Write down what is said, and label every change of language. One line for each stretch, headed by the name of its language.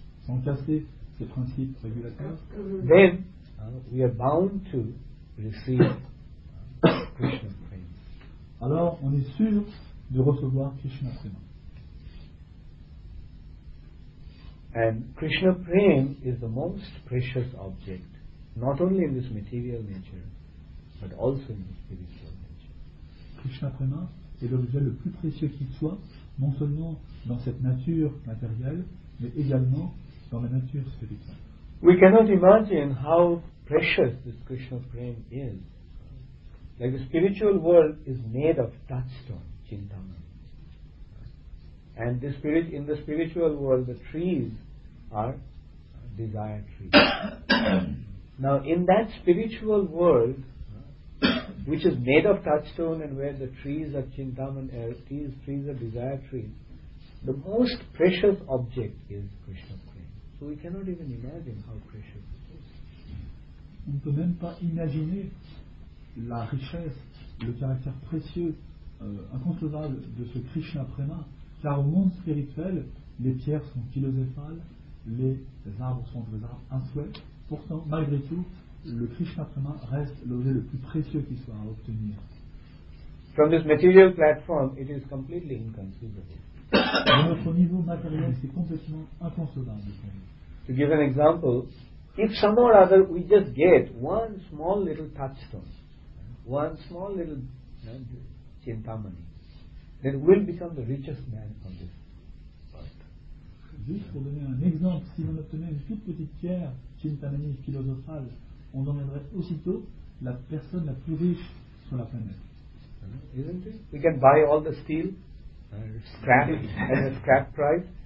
French: Sans casser ces principes régulateurs.
English: Then we are bound to receive Krishna's praise.
French: Alors on est sûr de recevoir Krishna prema.
English: And Krishna prema is the most precious object, not only in this material nature, but also in the spiritual nature.
French: Krishna prema est l'objet le plus précieux qui soit, non seulement dans cette nature matérielle, mais également dans la nature spirituelle.
English: We cannot imagine how precious this Krishna prema is. Like the spiritual world is made of touchstone, chintamani. And the spirit, in the spiritual world, the trees are desire trees. Now, in that spiritual world, which is made of touchstone and where the trees are chintamani, trees are desire trees, the most precious object is Krishna prema. So we cannot even imagine how precious it is.
French: On ne peut même pas imaginer la richesse, le caractère précieux, inconcevable de ce Krishna prema. Car au monde spirituel, les pierres sont philosophales, les arbres sont des arbres à souhait. Pourtant, malgré tout, le Krishna prema reste l'objet le plus précieux qui soit à obtenir.
English: From this material platform, it is completely inconceivable.
French: De notre niveau matériel, c'est complètement inconcevable.
English: To give an example, if somehow or other we just get one small little touchstone, one small little chintamani, then we'll become the richest man on this earth.
French: Juste pour donner un exemple, si on obtenait une toute petite pierre chintamani philosophale, on deviendrait aussitôt la personne la plus riche sur la planète.
English: Isn't it? We can buy all the steel, scrap it at a scrap price,